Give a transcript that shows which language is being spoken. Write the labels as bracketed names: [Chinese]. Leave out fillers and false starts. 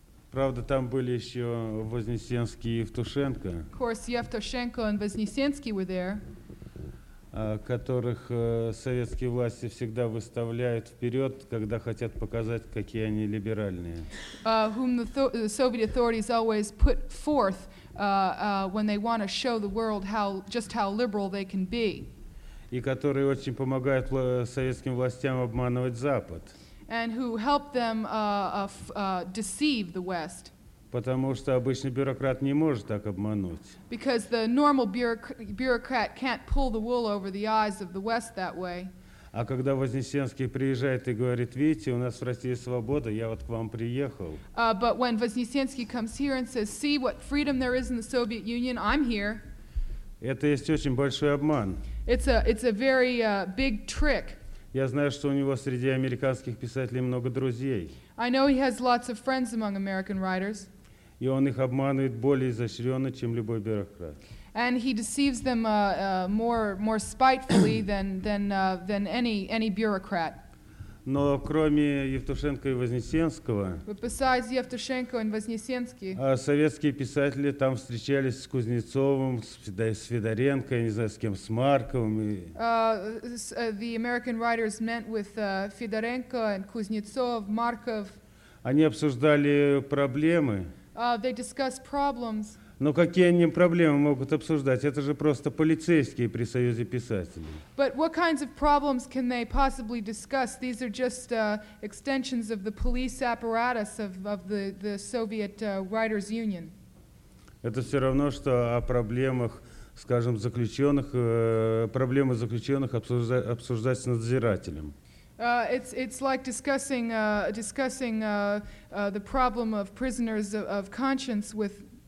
[Russian] Правда, там были еще Вознесенский и Евтушенко. [English] Of course, Евтушенко and Вознесенский were there. [Russian] Которых советские власти всегда выставляют вперед, когда хотят показать, какие они либеральные. [English] Whom the Soviet authorities always put forth when they want to show the world how liberal they can be. [Russian] И которые очень помогают советским властям обманывать Запад. [English] And who help them deceive the West. [Russian] Потому что обычный бюрократ не может так обмануть. [English] Because the normal bureaucrat can't pull the wool over the eyes of the West that way. [Russian] А когда Вознесенский приезжает и говорит, видите, у нас в России свобода, я вот к вам приехал. [English] But when Вознесенский comes here and says, see what freedom there is in the Soviet Union, I'm here. [Russian] Это есть очень большой обман. [English] It's a very big trick. [Russian] Я знаю, что у него среди американских писателей много друзей. [English] I know he has lots of friends among American writers. [Russian] И он их обманывает более изощренно, чем любой бюрократ. [English] And he deceives them more spitefully than any bureaucrat. [Russian] Но кроме Евтушенко и Вознесенского, [English] But besides Евтушенко and Вознесенский, [Russian] советские писатели там встречались с Кузнецовым, с Федоренко, я не знаю, с кем, с Марковым. [English] The American writers met with Федоренко and Кузнецов, Марков. [Russian] Они обсуждали проблемы. [English] They discussed problems. [Russian] Но какие они проблемы могут обсуждать? Это же просто полицейские при Союзе писателей. [English] But what kinds of problems can they possibly discuss? These are just extensions of the police apparatus of the Soviet Writers Union. [Russian] Это все равно, что о проблемах, скажем, заключенных, проблемы заключенных обсуждать с надзирателем. [English] It's like discussing the problem of prisoners of conscience with